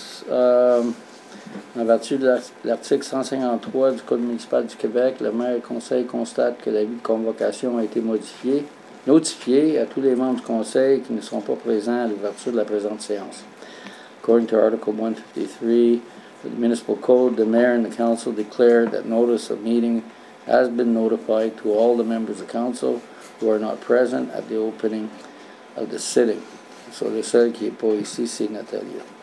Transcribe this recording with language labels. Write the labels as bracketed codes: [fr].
[fr] En vertu de l'article 153 du Code municipal du Québec, le maire et le conseil constatent que l'avis de convocation a été modifié, notifié à tous les membres du conseil qui ne sont pas présents à l'ouverture de la présente séance. [en] According to Article 153 of the Municipal Code, the mayor and the council declare that notice of meeting has been notified to all the members of council who are not present at the opening of the sitting. [fr] So le seul qui n'est pas ici, c'est Natalia.